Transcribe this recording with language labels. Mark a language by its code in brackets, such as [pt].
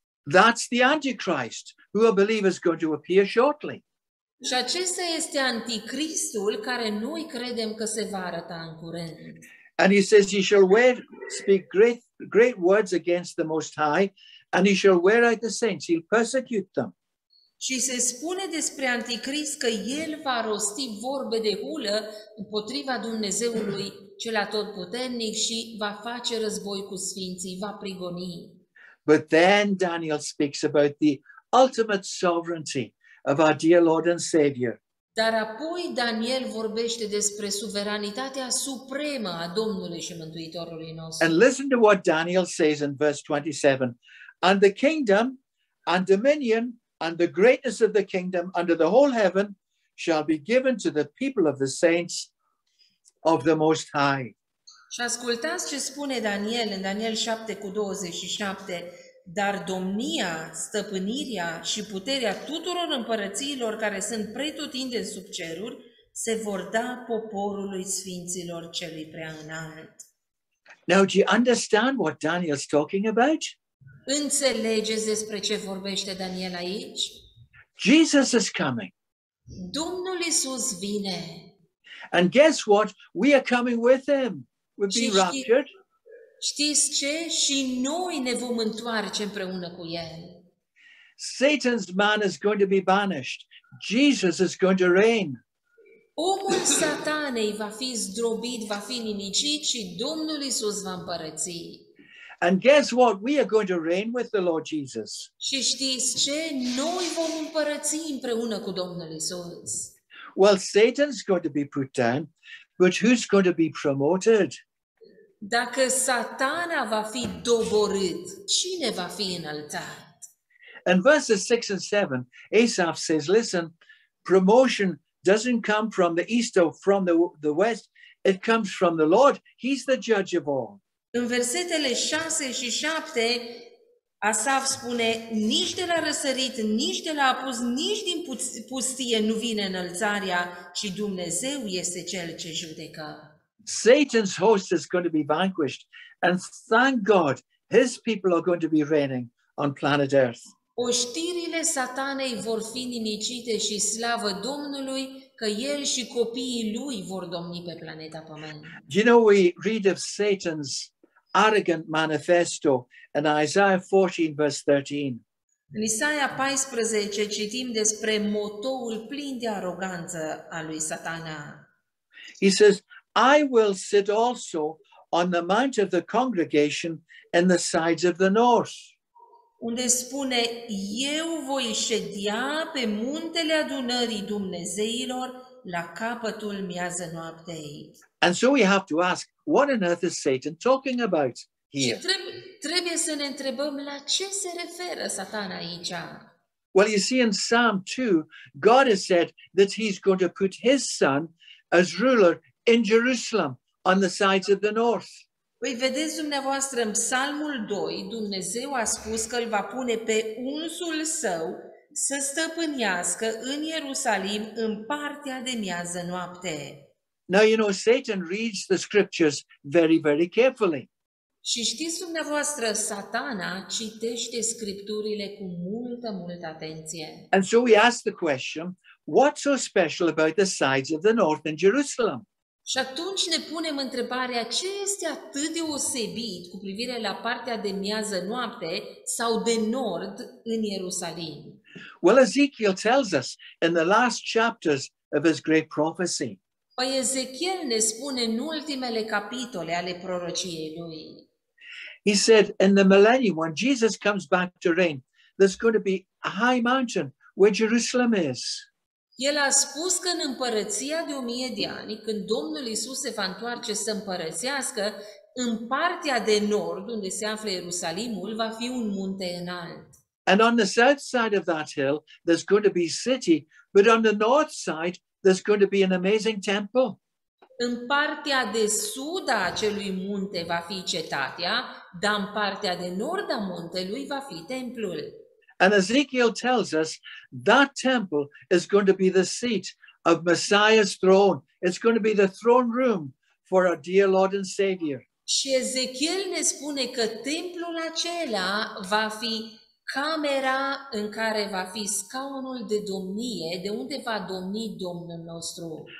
[en] That's the Antichrist, who a believer is going to appear shortly. [ro] Și acesta este anticristul care noi credem că se va arăta în curând. [en] And he says he shall wear, speak great words against the Most High, and he shall wear out the saints. He'll persecute them. [ro] Și se spune despre anticrist că el va rosti vorbe de hulă împotriva Dumnezeului cel atotputernic și va face război cu sfinții, va prigoni. [en] But then Daniel speaks about the ultimate sovereignty of our dear Lord and Savior. [ro] Dar apoi Daniel vorbește despre suveranitatea supremă a Domnului și Mântuitorului nostru. [en] And listen to what Daniel says in verse 27. And the kingdom and dominion and the greatness of the kingdom under the whole heaven shall be given to the people of the saints of the Most High. [ro] Și ascultați ce spune Daniel în Daniel 7:27. Dar domnia, stăpânirea și puterea tuturor împărățiilor care sunt pretutindeni sub ceruri se vor da poporului sfinților celui prea înalt. [en] Now, do you understand what Daniel's talking about? [ro] Înțelegeți despre ce vorbește Daniel aici? [en] Jesus is coming. [ro] Domnul Iisus vine. [en] And guess what? We are coming with him. We'll be raptured. [ro] Știți ce? Și noi ne vom întoarce împreună cu el. [en] Satan's man is going to be banished. Jesus is going to reign. [ro] Omul Satanei va fi zdrobit, va fi nimicit și Domnul Iisus va împărăți. [en] And guess what? We are going to reign with the Lord Jesus. [ro] Și știți ce? Noi vom împărăți împreună cu Domnul Iisus. [en] Well, Satan's going to be put down, but who's going to be promoted? [ro] Dacă Satana va fi doborât, cine va fi înaltat? [en] In verses 6 and 7, Asaf says, listen, promotion doesn't come from the east or from the west, it comes from the Lord. He's the judge of all. [ro] În versetele 6 și 7, Asaf spune, nici de la răsărit, nici de la apus, nici din pustie nu vine înălțarea, ci Dumnezeu este cel ce judecă. [en] Satan's host is going to be vanquished, and thank God, his people are going to be reigning on planet Earth. [ro] Oștirile Satanei vor fi nimicite și slavă Domnului că el și copiii lui vor domni pe planeta Pământ. [en] You know, we read of Satan's arrogant manifesto in Isaiah 14, verse 13. [ro] În Isaia 14 citim despre motoul plin de aroganță al lui Satana. [en] He says, I will sit also on the mount of the congregation in the sides of the north. [ro] Unde spune, eu voi ședea pe muntele adunării Dumnezeilor la capătul miază noaptei. [en] And so we have to ask, what on earth is Satan talking about here? [ro] Trebuie să ne întrebăm la ce se referă Satan aici. [en] Well, you see, in Psalm 2, God has said that he's going to put his son as ruler in Jerusalem, on the sides of the north. [ro] Păi vedeți dumneavoastră, în Psalmul 2, Dumnezeu a spus că îl va pune pe unsul său să stăpânească în Ierusalim, în partea de miază noapte. [en] Now, you know, Satan reads the scriptures very, very carefully. [ro] Și știți dumneavoastră, Satana citește scripturile cu multă, multă atenție. [en] And so we ask the question, what's so special about the sides of the north in Jerusalem? [ro] Și atunci ne punem întrebarea, ce este atât deosebit cu privire la partea de miază noapte sau de nord în Ierusalim? [en] Well, Ezekiel tells us in the last chapters of his great prophecy. [ro] Păi Ezekiel ne spune în ultimele capitole ale prorociei lui. [en] He said, in the millennium, when Jesus comes back to reign, there's going to be a high mountain where Jerusalem is. [ro] El a spus că în împărăția de 1000 de ani, când Domnul Iisus se va întoarce să împărățească, în partea de nord, unde se află Ierusalimul, va fi un munte înalt. [en] And on the south side of that hill, there's going to be city, but on the north side, there's going to be an amazing temple. [ro] În partea de sud a acelui munte va fi cetatea, dar în partea de nord a muntelui va fi templul. [en] And Ezekiel tells us that temple is going to be the seat of Messiah's throne. It's going to be the throne room for our dear Lord and Savior. [ro] Și Ezekiel ne spune că templul acela va fi camera în care va fi scaunul de domnie, de unde va domni Domnul nostru.